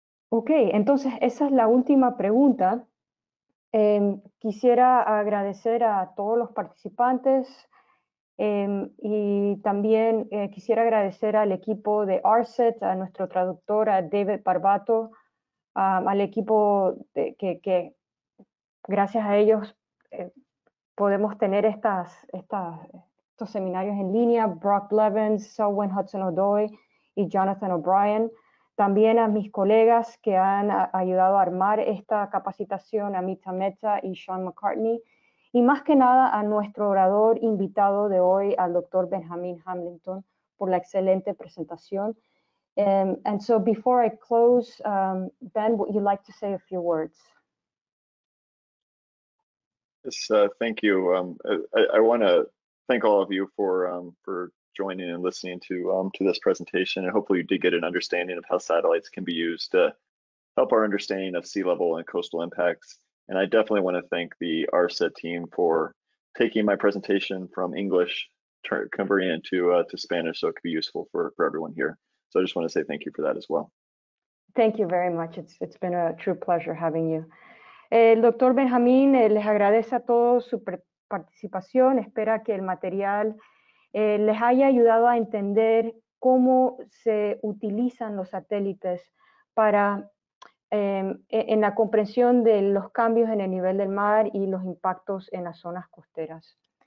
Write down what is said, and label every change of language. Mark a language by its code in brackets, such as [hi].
[es] Ok, entonces esa es la última pregunta. Quisiera agradecer a todos los participantes y también quisiera agradecer al equipo de ARCET, a nuestro traductor, a David Barbato, al equipo que gracias a ellos podemos tener estos seminarios en línea, Brock Blevins, Selwyn Hudson-Odoi y Jonathan O'Brien. También a mis colegas que han ayudado a armar esta capacitación, a Mita Mehta y Sean McCartney. Y más que nada a nuestro orador invitado de hoy, al doctor Benjamin Hamilton, por la excelente presentación. [en] And so before I close, Ben, would you like to say a few words? Yes, thank you. I want to thank all of you for joining and listening to this presentation, and hopefully you did get an understanding of how satellites can be used to help our understanding of sea level and coastal impacts. And I definitely want to thank the ARCET team for taking my presentation from English, converting it to Spanish so it could be useful for everyone here. So I just want to say thank you for that as well. Thank you very much. It's been a true pleasure having you. [es] El doctor Benjamín les agradece a todos su participación. Espera que el material les haya ayudado a entender cómo se utilizan los satélites para en la comprensión de los cambios en el nivel del mar y los impactos en las zonas costeras.